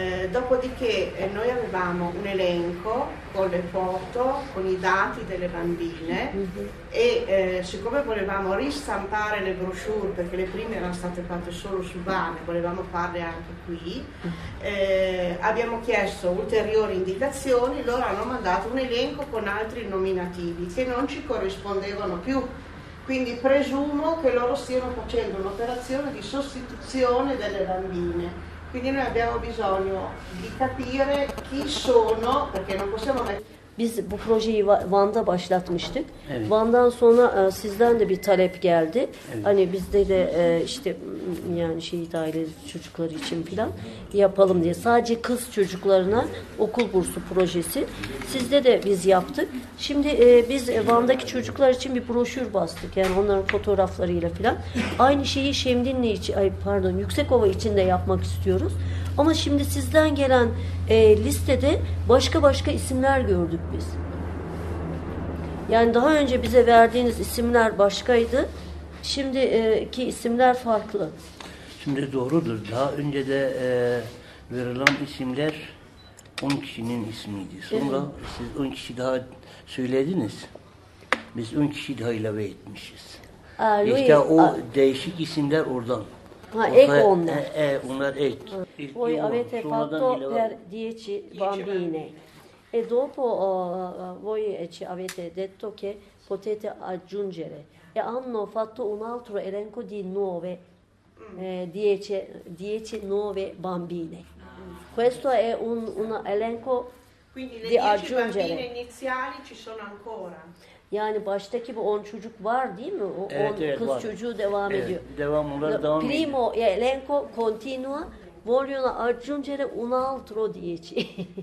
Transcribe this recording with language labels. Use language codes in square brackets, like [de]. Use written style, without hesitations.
[it] Dopodiché noi avevamo un elenco con le foto, con i dati delle bambine e siccome volevamo ristampare le brochure, perché le prime erano state fatte solo su Vane, volevamo farle anche qui, abbiamo chiesto ulteriori indicazioni, loro hanno mandato un elenco con altri nominativi che non ci corrispondevano più. Quindi presumo che loro stiano facendo un'operazione di sostituzione delle bambine. Quindi noi abbiamo bisogno di capire chi sono, perché non possiamo mettere... [tr] Biz bu projeyi Van'da başlatmıştık. Evet. Van'dan sonra sizden de bir talep geldi. Evet. Hani bizde de işte yani şehit aile çocukları için falan yapalım diye. Sadece kız çocuklarına okul bursu projesi. Sizde de biz yaptık. Şimdi biz Van'daki çocuklar için bir broşür bastık. Yani onların fotoğraflarıyla falan. Aynı şeyi Şemdinli için, ay pardon, Yüksekova için de yapmak istiyoruz. Ama şimdi sizden gelen listede başka başka isimler gördük biz. Yani daha önce bize verdiğiniz isimler başkaydı. Şimdiki isimler farklı. Şimdi doğrudur. Daha önce de verilen isimler 10 kişinin ismiydi. Sonra siz 10 kişi daha söylediniz. Biz 10 kişi daha ilave etmişiz. İşte o değişik isimler oradan. Ha, ek onlar. Onlar ek. [it] Voi avete fatto per 10 bambine. E dopo voi ci avete detto che potete aggiungere. E hanno fatto un altro elenco di 9 bambine. Questo è un elenco di aggiungere. Quindi le 10 bambine iniziali ci sono ancora. [tr] Yani baştaki bu 10 çocuk var değil mi? O 10 kız var. Çocuğu devam ediyor. Devam, onlar devam ediyor. [it] Primo elenco continua vogliono aggiungere un altro 10.